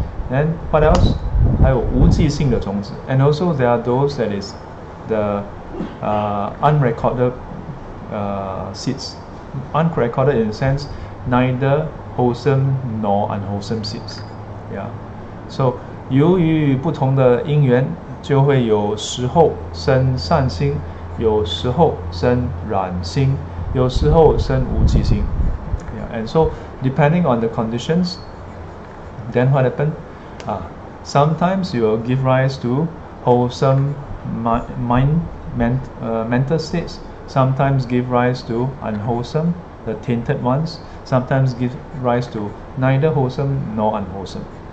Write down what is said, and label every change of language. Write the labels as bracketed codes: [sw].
[en] And what else? [zh] 还有无记性的种子. [en] And also there are those that is the unrecorded seeds. Unrecorded in the sense, neither wholesome nor unwholesome seeds. Yeah. [zh] So, 由于不同的因缘, 就会有时候生善心, 有时候生染心, 有时候生无记性. [en] Yeah. And so, depending on the conditions, then what happened? Sometimes you will give rise to wholesome mental states, sometimes give rise to unwholesome, the tainted ones, sometimes give rise to neither wholesome nor unwholesome.